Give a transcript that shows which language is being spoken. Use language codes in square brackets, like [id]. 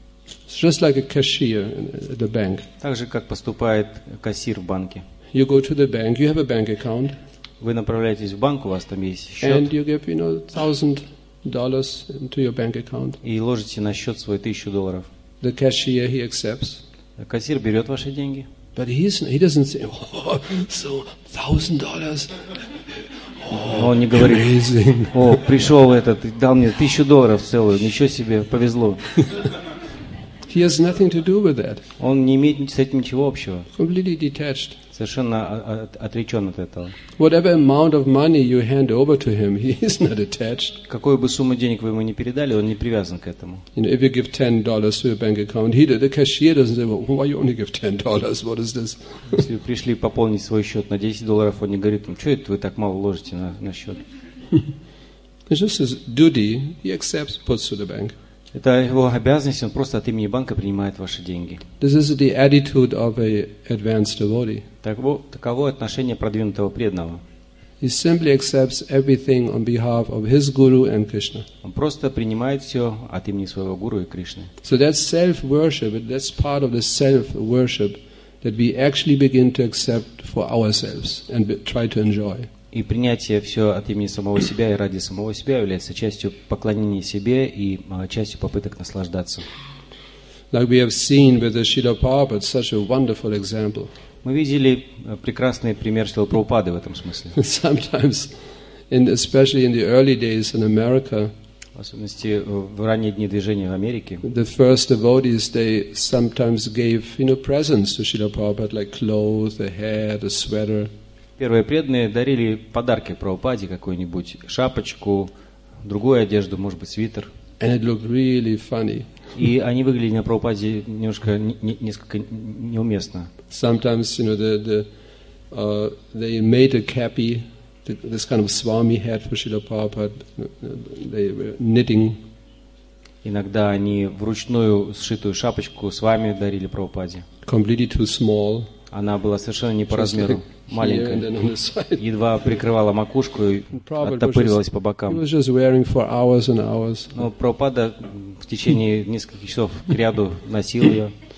[en] It's just like a cashier at the bank. [ru] Так же, как поступает кассир в банке. [en] You go to the bank, you have a bank account. [ru] Вы направляетесь в банк, у вас там есть счет. [en] And you give, you know, $1,000 into your bank account. [ru] И ложите на счет свой $1,000. [en] The cashier, he accepts. [ru] Кассир берет ваши деньги. [en] But he doesn't say, oh, so $1,000. [ru] Но он не говорит, [en] amazing. [ru] О, пришел этот, дал мне $1,000 целую, ничего себе, повезло. [en] He has nothing to do with that. [ru] Он не имеет с этим ничего общего. [en] Completely detached. [ru] Совершенно отречен от этого. [en] Whatever amount of money you hand over to him, he is not attached. [ru] Какую бы сумму денег вы ему не передали, он не привязан к этому. [en] You know, if you give $10 to your bank account, he, the cashier doesn't say, well, why you only give $10? What is this? [ru] Если вы пришли пополнить свой счет на $10, он не говорит, что это вы так мало ложите на счет. [en] It's just his duty. He accepts, puts to the bank. [ru] Это его обязанность, он просто от имени банка принимает ваши деньги. [en] This is the attitude of an advanced devotee. [ru] Таково отношение продвинутого преданного. [en] He simply accepts everything on behalf of his guru and Krishna. [ru] Он просто принимает все от имени своего гуру и Кришны. [en] So that's self-worship, that's part of the self-worship that we actually begin to accept for ourselves and try to enjoy. [ru] И принятие все от имени самого себя и ради самого себя является частью поклонения себе и частью попыток наслаждаться. [en] Like we have seen with the Srila Prabhupada, such a wonderful example. [ru] Мы видели прекрасный пример Шрилы Прабхупады в этом смысле. [en] Sometimes, especially in the early days in America, [ru] в особенности в ранние дни движения в Америке, [en] the first devotees, they sometimes gave, you know, presents to Srila Prabhupada, like clothes, a hat, a sweater. [ru] Первые преданные дарили подарки Прабхупаде, какую-нибудь шапочку, другую одежду, может быть, свитер. [en] And it looked really funny. [ru] И они выглядели на Прабхупаде немножко, несколько неуместно. [en] Sometimes, you know, they made a kepi. this kind of swami hat for Srila Prabhupada, they were knitting. [ru] Иногда они вручную сшитую шапочку с вами дарили Прабхупаде. [en] Completely too small. [ru] Она была совершенно не по размеру, маленькая, едва прикрывала макушку и оттопыривалась по бокам. Но Прабхупада в течение нескольких часов к ряду носил ее.